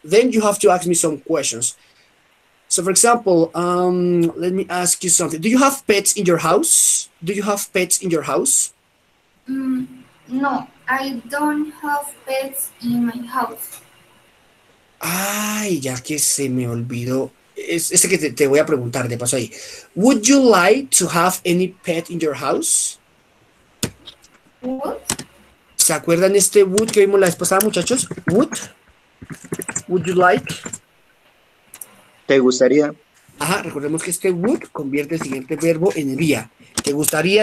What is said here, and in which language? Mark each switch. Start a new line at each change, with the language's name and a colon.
English: Then you have to ask me some questions. So, for example, let me ask you something. Do you have pets in your house? Do you have pets in your house? No, I don't have pets in my house.
Spanish: Ay, ya que se me olvidó. Este que te voy a preguntar, de paso ahí.
English: Would you like to have any pet in your house? What?
Spanish: ¿Se acuerdan este would que vimos la vez pasada, muchachos?
English: Would you like?
Spanish: ¿Te gustaría? Ajá, recordemos que este would convierte el siguiente verbo en día. ¿Te gustaría?